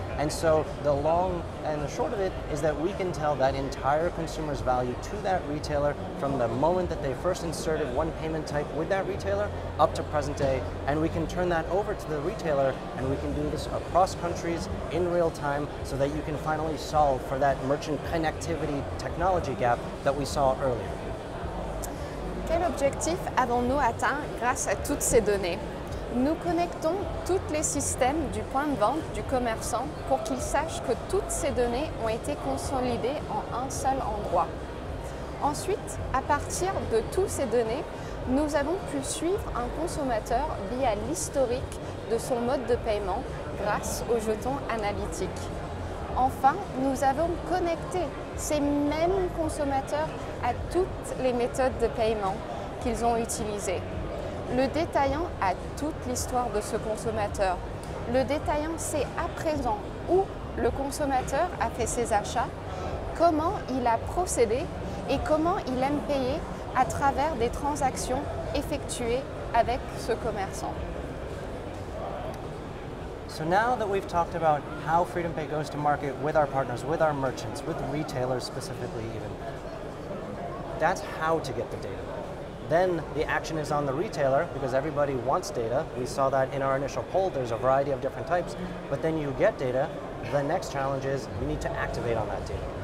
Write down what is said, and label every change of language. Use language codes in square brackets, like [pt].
[en] And so the long and the short of it is that we can tell that entire consumer's value to that retailer from the moment that they first inserted one payment type with that retailer up to present day. And we can turn that over to the retailer, and we can do this across countries in real time so that you can finally solve for that merchant connectivity technology gap that we saw earlier. [fr] Quel objectif avons-nous atteint grâce à toutes ces données? Nous connectons tous les systèmes du point de vente du commerçant pour qu'il sache que toutes ces données ont été consolidées en un seul endroit. Ensuite, à partir de toutes ces données, nous avons pu suivre un consommateur via l'historique de son mode de paiement grâce aux jetons analytiques. Enfin, nous avons connecté ces mêmes consommateurs à toutes les méthodes de paiement qu'ils ont utilisées. Le détaillant a toute l'histoire de ce consommateur. Le détaillant sait à présent où le consommateur a fait ses achats, comment il a procédé et comment il aime payer à travers des transactions effectuées avec ce commerçant. [en] So now that we've talked about how FreedomPay goes to market with our partners, with our merchants, with retailers specifically even, that's how to get the data. Then the action is on the retailer, because everybody wants data. We saw that in our initial poll, there's a variety of different types. But then you get data, the next challenge is you need to activate on that data.